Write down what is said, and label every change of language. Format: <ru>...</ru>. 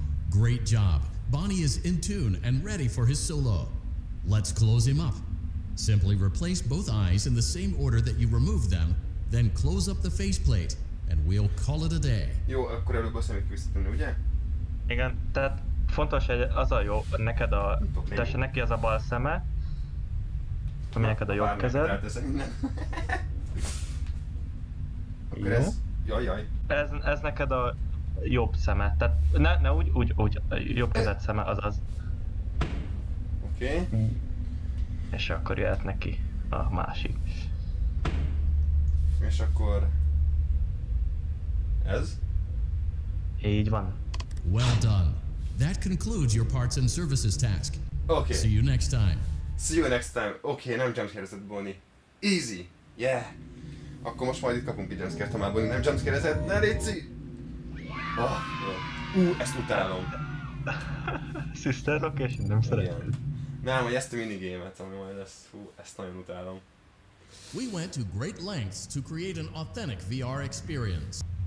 <en>Great job. Bonnie is in tune and ready for his solo. Let's close him up. Simply replace both eyes in the same order that you removed them, then close up the faceplate, and we'll call it a day.</en> <hu>Jó, akkor előbb a szemét visszatenni, ugye? Igen, tehát fontos, hogy az a jó, neked a... Tehát neki az a bal szeme, ami neked a jobb kezed. Bármilyen teszek innen. Akkor ez... Ez neked a... jobb szeme, tehát ne úgy, jobb kezed szeme, azaz. Oké.</hu> <en>Okay.</en> <hu>És akkor jöhet neki a másik. És akkor... ez? Így van.</hu> <en>Well done. That concludes your parts and services task. Okay. See you next time. See you next time. Okay,</en> <hu>nem jumpscare-ezett Bonnie.</hu> <en>Easy. Yeah.</en> <hu>Akkor most majd itt kapunk egy jumpscare-t, ha már Bonnie nem jumpscare-ezett. Ne létszi! Ó, oh, ezt utálom. Sister Location, nem szeretem. Nem, hogy ezt a minigémet, ami majd lesz. Hú, ezt nagyon utálom.</hu> <en>We went to great lengths to create an authentic VR experience.</en>